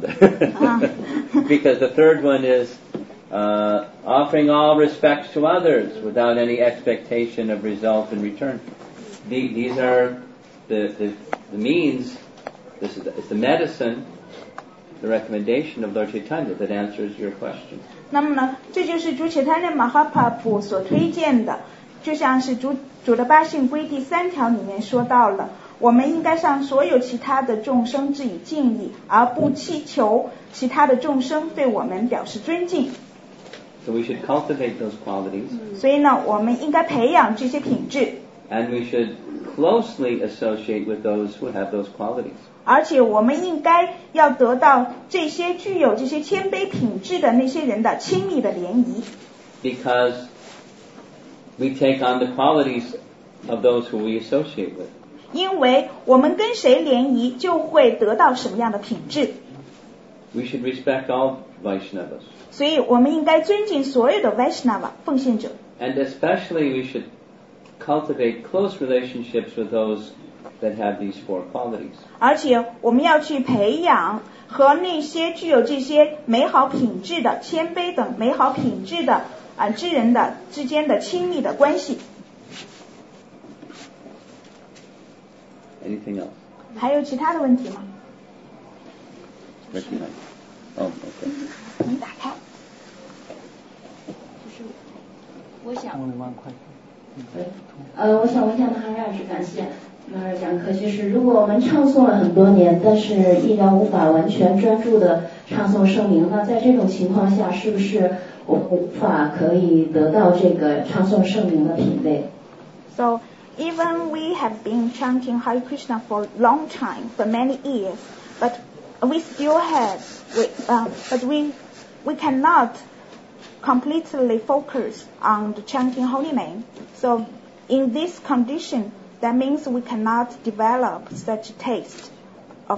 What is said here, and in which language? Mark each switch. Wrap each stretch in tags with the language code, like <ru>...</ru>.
<en>Because the third one is offering all respects to others without any expectation of result in return. These are the means, this is the medicine, the recommendation of Lord Chaitanya that answers your question.</en> <zh>那么呢，这就是主切坦涅马哈帕普所推荐的，就像是主的八训规第三条里面说到了，我们应该向所有其他的众生致以敬意，而不祈求其他的众生对我们表示尊敬。</zh> <en>So we should cultivate those qualities.</en> <zh>所以呢，我们应该培养这些品质。</zh> <en>And we should closely associate with those who have those qualities.</en> <zh>而且我们应该要得到这些具有这些谦卑品质的那些人的亲密的联谊。</zh> <en>Because we take on the qualities of those who we associate with.</en> <zh>因为我们跟谁联谊，就会得到什么样的品质。</zh> <en>We should respect all Vaishnavas.</en> <zh>所以我们应该尊敬所有的 Vaishnava 奉献者。</zh> <en>And especially we should. Cultivate close relationships with those that have these four qualities.</en> <zh>而且我们要去培养和那些具有这些美好品质的谦卑等美好品质的之人的之间的亲密的关系。</zh> <en>Anything else?</en> <zh>还有其他的问题吗？没什么。</zh> <en>Oh, okay.</en> <zh>你打开。我想。</zh> <en>Only one question.</en> <zh>对，我想问一下马哈拉什，感谢马哈拉讲课。其实，如果我们唱诵了很多年，但是依然无法完全专注的唱诵圣名，那在这种情况下，是不是我无法可以得到这个唱诵圣名的品位</zh> <en>？So even we have been chanting Hare Krishna for long time, for many years, but we still have we cannot. Completely focus on the chanting holy name. So, in this condition, that means we cannot develop such taste of</en>